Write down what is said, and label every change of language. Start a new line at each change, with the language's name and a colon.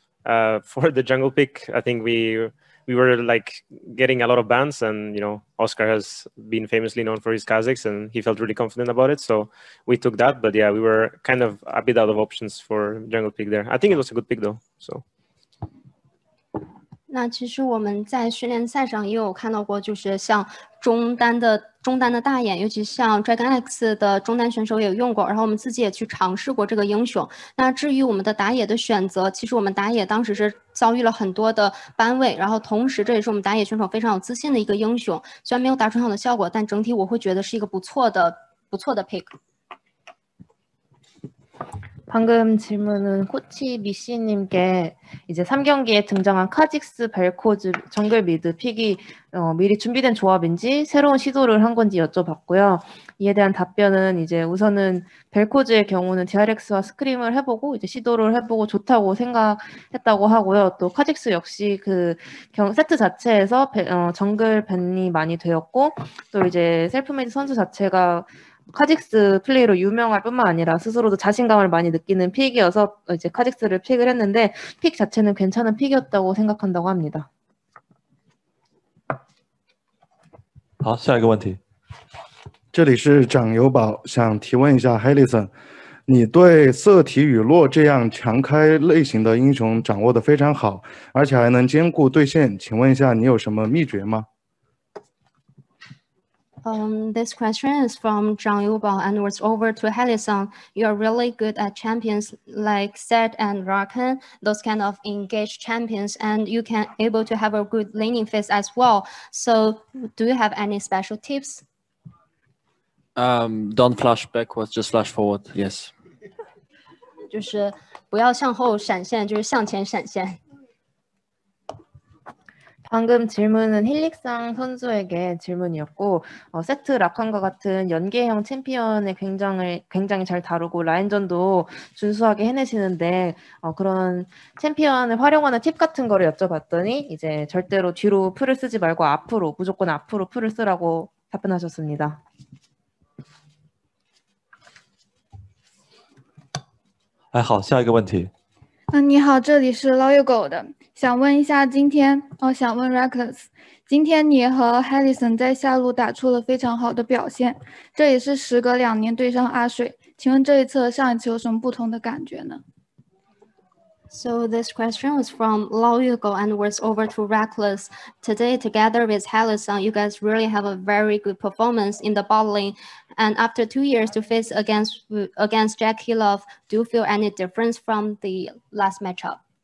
English: For the jungle pick, I think we were like getting a lot of bans, and you know, Oscar has been famously known for his Kha'Zix, and he felt really confident about it, so we took that. But yeah, we were kind of a bit out of options for jungle pick there. I think it was a good pick though, so.
Chinese: 那其实我们在训练赛上也有看到过，就是像中单的大眼，尤其像 DragonX 的中单选手也用过，然后我们自己也去尝试过这个英雄。那至于我们的打野的选择，其实我们打野当时是遭遇了很多的班位，然后同时这也是我们打野选手非常有自信的一个英雄。虽然没有打出很好的效果，但整体我会觉得是一个不错的 pick。
Korean: 방금 질문은 코치 미씨님께 이제 3경기에 등장한 카직스, 벨코즈, 정글 미드 픽이 미리 준비된 조합인지 새로운 시도를 한 건지 여쭤봤고요. 이에 대한 답변은 이제 우선은 벨코즈의 경우는 DRX와 스크림을 해보고 이제 시도를 해보고 좋다고 생각했다고 하고요. 또 카직스 역시 그 세트 자체에서 정글 밴이 많이 되었고, 또 이제 셀프메이드 선수 자체가 카직스 플레이로 유명할 뿐만 아니라 스스로도 자신감을 많이 느끼는 픽이어서 이제 카직스를 픽을 했는데, 픽 자체는 괜찮은 픽이었다고 생각한다고 합니다.
Chinese: 好，下一个问题。这里是掌油宝，想提问一下 Helison，你对瑟提陨落这样强开类型的英雄掌握得非常好，而且还能兼顾对线，请问一下你有什么秘诀吗？
English: This question is from Zhang Youbao and was over to Helison. You are really good at champions like Zed and Rakan, those kind of engaged champions, and you can able to have a good laning phase as well. So, do you have any special tips? Don't flash backwards, just flash forward. Yes.
Chinese: 就是不要向后闪现，就是向前闪现。
Korean: 방금 질문은 힐릭상 선수에게 질문이었고, 세트 라칸과 같은 연계형 챔피언에 굉장히 잘 다루고 라인전도 준수하게 해내시는데, 그런 챔피언을 활용하는 팁 같은 거를 여쭤봤더니 이제 절대로 뒤로 풀을 쓰지 말고 앞으로 무조건 앞으로 풀을 쓰라고 답변하셨습니다.
Chinese: 哎，好，下一个问题。你好，这里是老友狗的，想问一下今天，哦，想问 Reckless，今天你和 Helison 在下路打出了非常好的表现，这也是时隔2年对上阿水，请问这一次和上一次有什么不同的感觉呢？
English: So this question was from Lao Yugo and was over to Reckless. Today, together with Helison, you guys really have a very good performance in the bot lane. And after 2 years to face against Jack Killov, do you feel any difference from the last matchup?